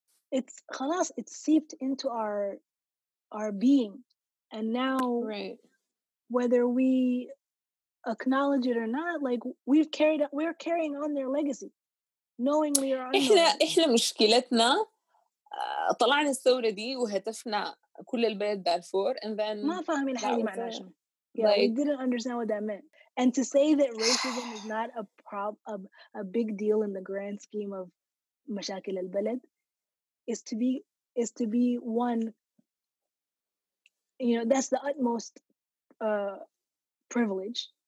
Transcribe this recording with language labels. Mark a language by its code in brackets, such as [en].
[en] It's seeped into our being. And now, right. whether we acknowledge it or not, like, we're carrying on their legacy. [ar] إحنا مشكلتنا طلعنا الثورة دي وهتفنا كل البلد دارفور [en] and then [ar] ما فاهمين حاجة معناها. [en] Yeah, like, we didn't understand what that meant. And to say that racism is not a big deal in the grand scheme of [ar] مشاكل البلد [en] is to be one. You know, that's the utmost privilege.